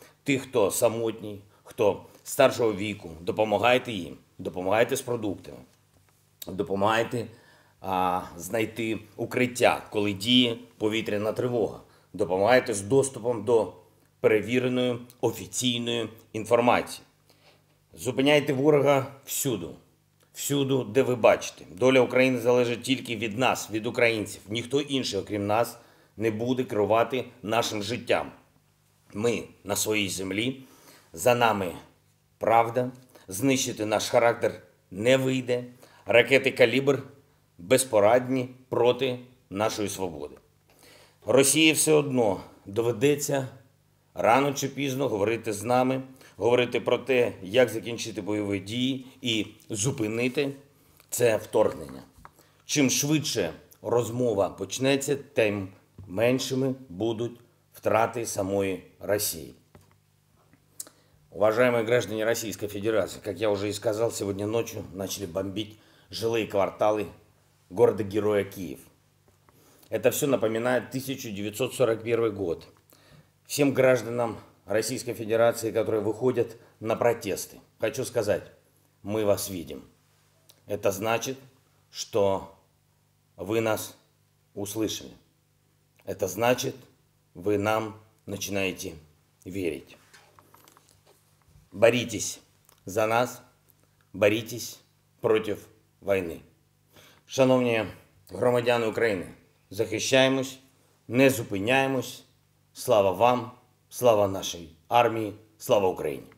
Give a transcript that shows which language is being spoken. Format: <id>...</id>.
<uk>Тих, хто самотній, хто старшого віку, допомагайте їм, допомагайте з продуктами, допомагайте знайти укриття, коли діє повітряна тривога, допомагайте з доступом до перевіреної офіційної інформації. Зупиняйте ворога всюду. Всюду, де ви бачите. Доля України залежить тільки від нас, від українців. Ніхто інший, окрім нас, не буде керувати нашим життям. Ми на своїй землі. За нами правда. Знищити наш характер не вийде. Ракети «Калібр» безпорадні проти нашої свободи. Росії все одно доведеться рано чи пізно говорити з нами, говорити про те, як закінчити бойові дії і зупинити це вторгнення. Чим швидше розмова почнеться, тим меншими будуть втрати самої Росії. Уважаємо граждане Російської Федерації, як я вже і сказав, сьогодні ночі почали бомбити жилі квартали города-героя Київ. Це все напоминає 1941 год.</uk> <ru>Всім гражданам Российской Федерации, которые выходят на протесты. Хочу сказать, мы вас видим. Это значит, что вы нас услышали. Это значит, вы нам начинаете верить. Боритесь за нас, боритесь против войны.</ru> <uk>Шановні громадяни України, захищаємось, не зупиняємось. Слава вам! Слава нашій армії, слава Україні!</uk>